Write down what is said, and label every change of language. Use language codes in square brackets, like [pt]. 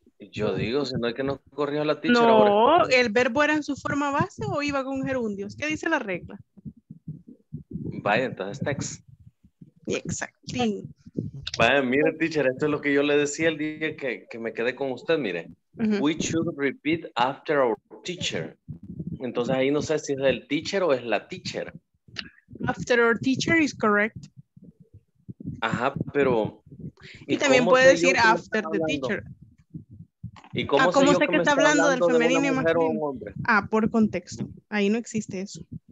[es] Yo digo, si no hay que nos corrija la teacher. No, ahora. ¿El verbo era en su forma base o iba con gerundios? ¿Qué dice la regla? Vaya, entonces text. [en] Exactly. [es] Vaya, mire, teacher, esto es lo que yo le decía el día que me quedé con usted, mire. [en] Uh-huh. We should repeat after our teacher. [es] Entonces ahí no sé si es el teacher o es la teacher. [en] After our teacher is correct. [es] Ajá, pero... [en] Y también puede decir after the teacher. [es] ¿Y cómo, ¿cómo sé que está hablando del femenino y masculino? Ah, por contexto. Ahí no existe eso.